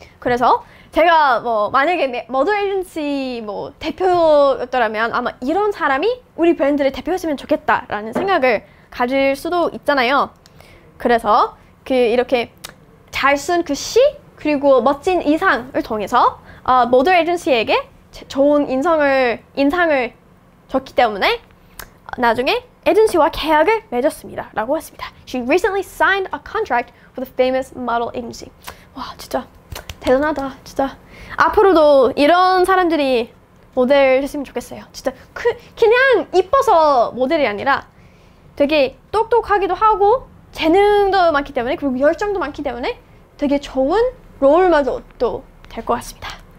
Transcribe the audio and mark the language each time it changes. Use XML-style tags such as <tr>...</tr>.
<ko>그래서 제가 뭐 만약에 모델 에이전시 뭐 대표였더라면 아마 이런 사람이 우리 브랜드를 대표했으면 좋겠다 라는 생각을 가질 수도 있잖아요. 그래서 그 이렇게 잘 쓴 그 시 그리고 멋진 의상을 통해서 모델 에이전시에게 좋은 인상을 줬기 때문에 나중에 에이전시와 계약을 맺었습니다 라고 했습니다.</ko> <en>She recently signed a contract with a famous model agency.</en> <ko>와 진짜 대단하다. 진짜 앞으로도 이런 사람들이 모델 했으면 좋겠어요. 진짜 그냥 이뻐서 모델이 아니라 되게 똑똑하기도 하고 재능도 많기 때문에 그리고 열정도 많기 때문에 되게 좋은 롤마저도 될 것 같습니다.</ko>